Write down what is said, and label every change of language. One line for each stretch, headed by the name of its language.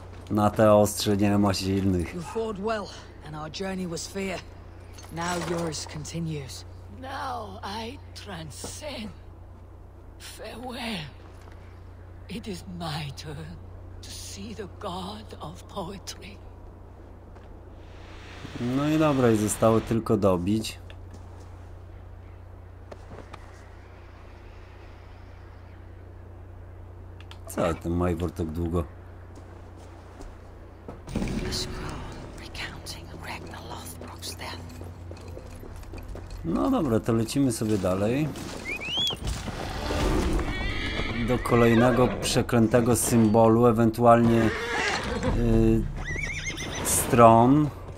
Polish: Na te ostrze nie ma silnych.
English: You fought well, and our journey was fair. Now yours continues. Now I transcend. Farewell. It is my turn to see the god of poetry.
Polish: No i dobra, i zostało tylko dobić. Co ten Majbor tak długo?
English: A scroll recounting Ragnar Lothbrok's death.
Polish: dobra, to lecimy sobie dalej. Do kolejnego przeklętego symbolu, ewentualnie stron.